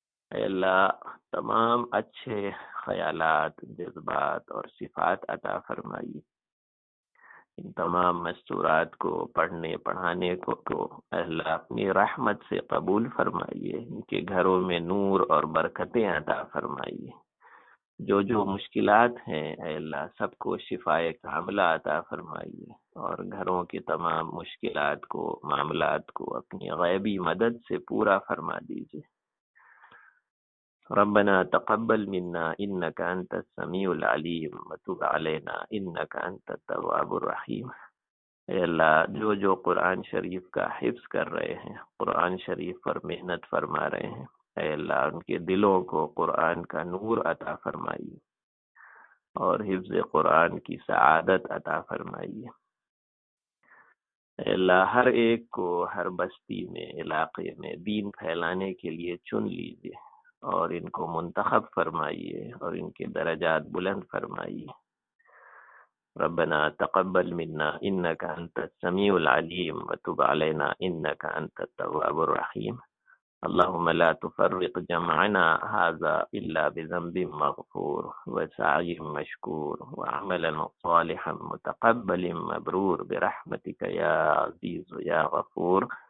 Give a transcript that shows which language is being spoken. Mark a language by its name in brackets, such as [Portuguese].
[Urdu] اے اللہ تمام اچھے خیالات، جذبات اور صفات عطا فرمائی، ان تمام مستورات کو پڑھنے پڑھانے کو اے اللہ اپنی رحمت سے قبول فرمائیے، ان کے گھروں میں نور اور برکتیں عطا فرمائیے، جو جو مشکلات ہیں اے اللہ سب کو شفائے کاملہ عطا فرمائیے، اور گھروں کے تمام مشکلات کو معاملات کو اپنی غیبی مدد سے پورا فرما دیجیے. [Arabic] ربنا تقبل منا انك انت السميع العليم وتب علينا انك انت التواب الرحيم. [Urdu] اے اللہ جو جو قرآن شریف کا حفظ کر رہے ہیں، قرآن شریف پر محنت فرما رہے ہیں، اے اللہ ان کے دلوں کو قرآن کا نور عطا فرمائیے اور حفظ قرآن کی سعادت عطا فرمائیے. اے اللہ ہر ایک کو ہر بستی میں، علاقے میں دین پھیلانے کے لیے چن لیجیے اور ان کو منتخب فرمائیے اور ان کے درجات بلند فرمائیے. [Arabic] ربنا تقبل منا انك انت السميع العليم وتب علينا انك انت التواب الرحيم. اللهم لا تفرق جمعنا هذا الا بذنب مغفور وسعي مشكور وعملا صالحا متقبل مبرور برحمتك يا عزيز يا غفور.